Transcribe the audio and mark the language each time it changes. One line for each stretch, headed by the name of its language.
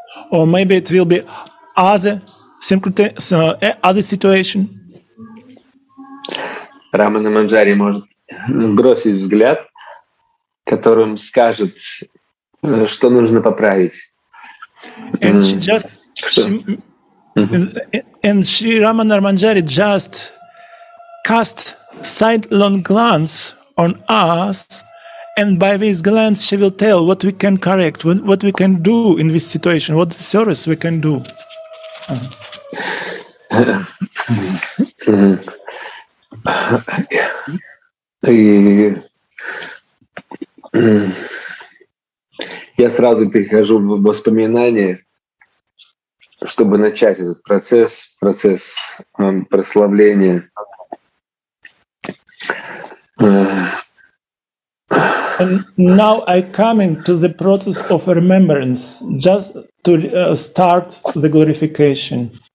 English: Or maybe it will be other situation.
Russian: Рамана Манджари может бросить взгляд, которым скажет, что нужно поправить.
English: And she Рамана Манджари just cast sidelong glance on us, and by this glance she will tell what we can correct, what we can do in this situation, what service we can do.
Russian: Я сразу перехожу в воспоминания, чтобы начать этот процесс прославления.
English: And now I come into the process of remembrance, just to start the glorification.